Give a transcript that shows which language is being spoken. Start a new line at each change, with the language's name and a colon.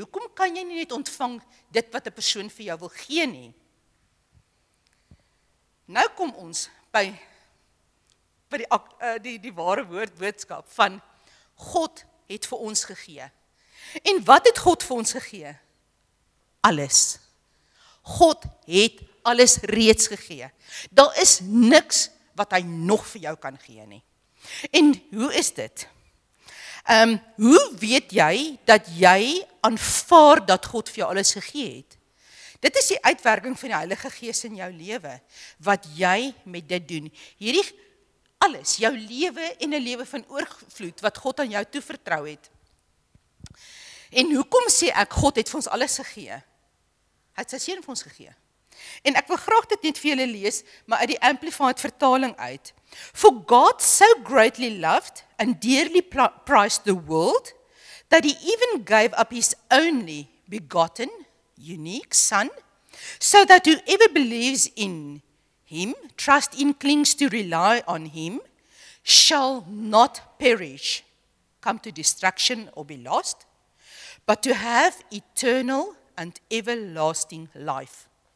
Afrikaans: Hoekom kan jy nie net ontvang dit wat 'n persoon vir jou wil gee nie? Nou kom ons by die ware woord boodskap van God het vir ons gegee. En wat het God vir ons gegee? Alles. God het alles reeds gegee. Daar is niks wat hy nog vir jou kan gee nie. En hoe is dit? Hoe weet jy dat jy aanvaar dat God vir jou alles gegee het? Dit is die uitwerking van die Heilige Gees in jou lewe, wat jy met dit doen. Hierdie alles, jou lewe en 'n lewe van oorvloed, wat God aan jou toevertrou het. En hoekom sê ek, God het vir ons alles gegee? Hy het sy seun vir ons gegee. En ek wil graag dit net vir julle lees, maar uit die Amplified vertaling uit.
English: For God so greatly loved and dearly prized the world that he even gave up his only begotten, unique son, so that whoever believes in him, trust in, clings to, rely on him, shall not perish, come to destruction or be lost, but to have eternal and everlasting life.